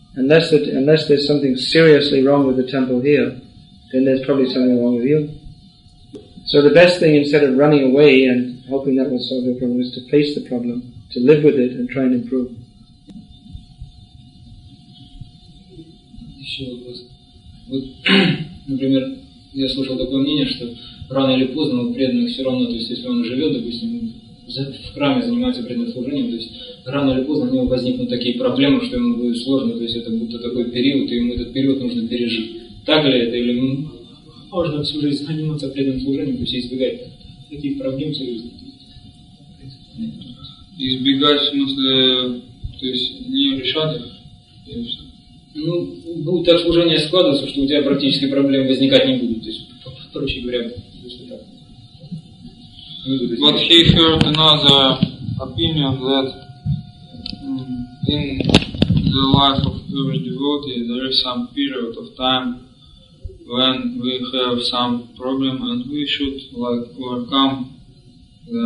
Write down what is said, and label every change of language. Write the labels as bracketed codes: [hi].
[en] Unless there's something seriously wrong with the temple here, then there's probably something wrong with you. So the best thing, instead of running away and hoping that will solve your problem, is to face the problem. To live with it and try and improve. [ru] Еще вопрос. Вот, например, я слышал такое мнение, что рано или поздно у преданных все равно, то есть если он живет, допустим, в храме занимается преданным служением, то есть рано или поздно у него возникнут такие проблемы, что ему будет сложно, то есть это будто такой период, и ему этот период нужно пережить. Так ли это? Или можно всю жизнь заниматься преданным служением, то есть избегать таких проблем серьезных? Избегать, в смысле, то есть не решать их? Ну, будет так служение складываться, что у тебя практически проблем возникать не будет. То есть, проще говоря, если так. [en] But he heard another opinion that in the life of every devotee there is some period of time when we have some problem and we should like overcome them.